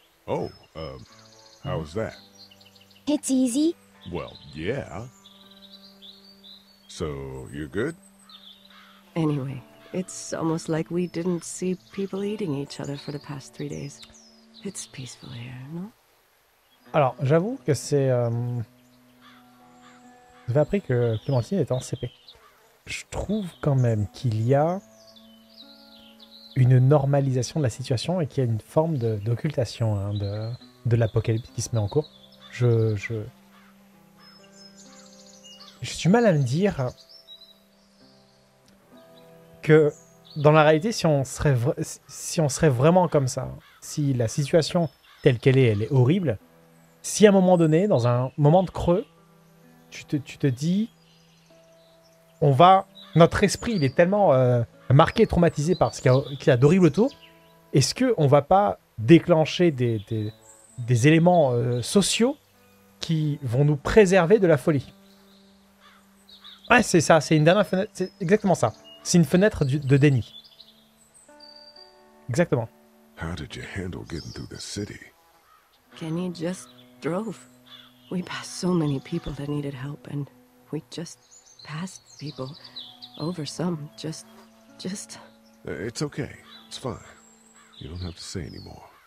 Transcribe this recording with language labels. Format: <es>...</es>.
<en>Oh, how's that? It's easy. Well, yeah. So, you're good? Anyway, it's almost like we didn't see people eating each other for the past 3 days. It's peaceful here, no?</en> <fr>Alors, j'avoue que c'est, Vous avez appris que Clementine était en CP. Je trouve quand même qu'il y a une normalisation de la situation et qu'il y a une forme d'occultation hein, de l'apocalypse qui se met en cours. J'ai du mal à me dire que dans la réalité, si on serait vraiment comme ça, si la situation telle qu'elle est, elle est horrible, si à un moment donné, dans un moment de creux, tu te dis, on va, notre esprit, il est tellement marqué, traumatisé par ce qu'il y a d'horrible autour, est-ce qu'on ne va pas déclencher des éléments sociaux qui vont nous préserver de la folie? Ouais, c'est ça, c'est une dernière fenêtre, c'est exactement ça. C'est une fenêtre de déni. Exactement.</fr> <en>How did you handle getting through the city? Kenny just drove. We passed so many people that needed help, and we just passed people over some, just... It's okay, it's fine. You don't have to say anymore.</en>